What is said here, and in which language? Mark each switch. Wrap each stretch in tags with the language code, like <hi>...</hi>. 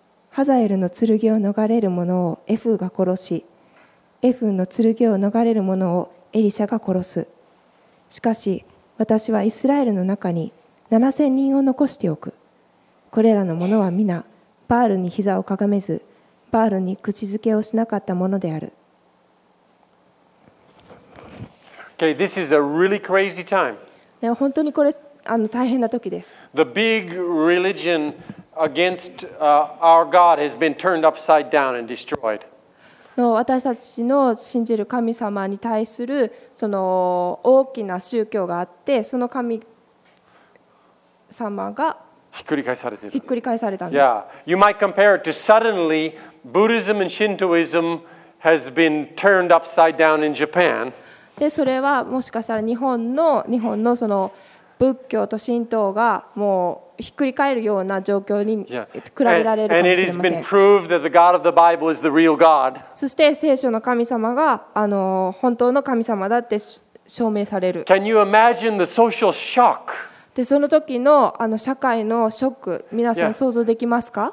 <ja>ハザエルの剣を逃れる者をエフーが殺し、エフーの剣を逃れる者をエリシャが殺す。しかし私はイスラエルの中に7000人を残しておく。これらの者は皆バールに膝をかがめず、バールに口づけをしなかった者である。</ja> <en>Okay, this is a really crazy time.</en> <ja>本当にこれ大変な時です。</ja> <en>The big religion against our God has been turned upside down and destroyed.</en> <ja>私たちの信じる神様に対するその大きな宗教があって、その神様がひっくり返されている。ひっくり返されたんです。</ja> <en>Yeah, you might compare it to suddenly Buddhism and Shintoism has been turned upside down in Japan.</en> <ja>でそれはもしかしたら日本のその仏教と神道がもうひっくり返るような状況に比べられるかもしれません。</ja> <en>And it has been proved that the God of the Bible is the real God.</en> <ja>そして聖書の神様が本当の神様だって証明される。</ja> <en>Can you imagine the social shock?</en> <ja>でその時の社会のショック、皆さん想像できますか？</ja>